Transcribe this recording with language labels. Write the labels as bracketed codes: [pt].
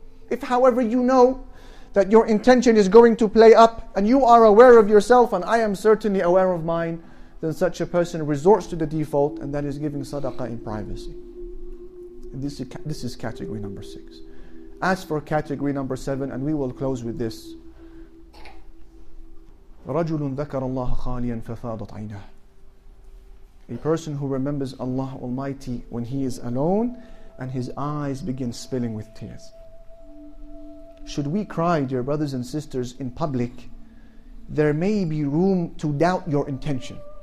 [en] If, however, you know that your intention is going to play up and you are aware of yourself, and I am certainly aware of mine, then such a person resorts to the default, and that is giving sadaqah in privacy. This is category number six. As for category number seven, and we will close with this. [ar] رجل ذكر الله خاليا ففاضت عيناه. [en] A person who remembers Allah Almighty when he is alone and his eyes begin spilling with tears. Should we cry, dear brothers and sisters, in public, there may be room to doubt your intention.